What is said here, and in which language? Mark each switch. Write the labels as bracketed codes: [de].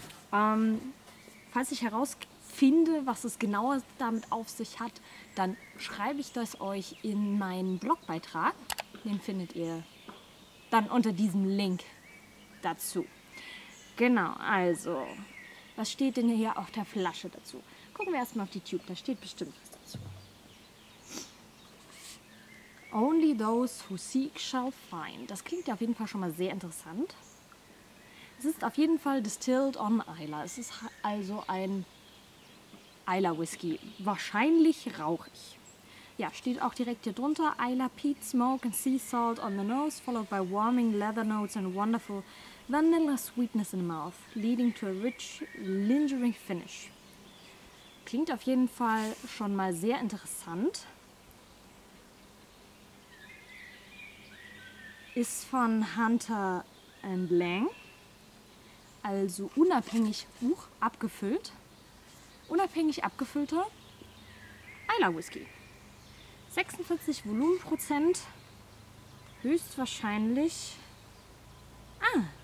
[de] Falls ich herausfinde, was es genauer damit auf sich hat, dann schreibe ich das euch in meinen Blogbeitrag. Den findet ihr dann unter diesem Link dazu. Genau, also, was steht denn hier auf der Flasche dazu? Gucken wir erstmal auf die Tube, da steht bestimmt was dazu. [en] Only those who seek shall find. [de] Das klingt ja auf jeden Fall schon mal sehr interessant. Es ist auf jeden Fall [en] distilled on Eila. [de] Es ist also ein Eila Whisky. Wahrscheinlich rauchig. Ja, steht auch direkt hier drunter. [en] Eila peat smoke and sea salt on the nose, followed by warming leather notes and wonderful vanilla sweetness in the mouth, leading to a rich, lingering finish. [de] Klingt auf jeden Fall schon mal sehr interessant. Ist von Hunter and Lang, also unabhängig abgefüllt. Unabhängig abgefüllter Eila Whisky. 46 Volumenprozent, höchstwahrscheinlich. Ah!